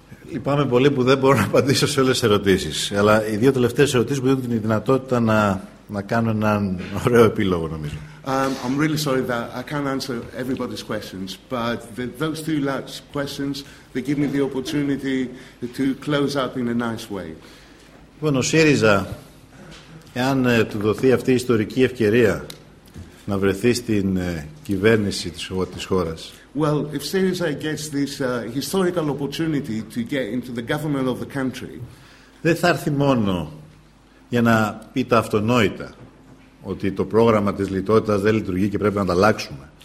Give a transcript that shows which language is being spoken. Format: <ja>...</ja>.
<el>Λυπάμαι πολύ που δεν μπορώ να απαντήσω σε όλες τις ερωτήσεις. Αλλά οι δύο τελευταίες ερωτήσεις μου δίνουν την δυνατότητα να κάνω έναν ωραίο επίλογο, νομίζω.</el> <en>I'm really sorry that I can't answer everybody's questions, but those two last questions, they give me the opportunity to close up in a nice way.</en> <el>Λοιπόν, ο ΣΥΡΙΖΑ, εάν του δοθεί αυτή η ιστορική ευκαιρία να βρεθεί στην κυβέρνηση της χώρας,</el> <en>well, if Syriza gets this historical opportunity to get into the government of the country,</en> <el>δεν θα έρθει μόνο για να πει τα αυτονόητα ότι το πρόγραμμα της λιτότητας δεν λειτουργεί και πρέπει να τα αλλάξουμε.</el>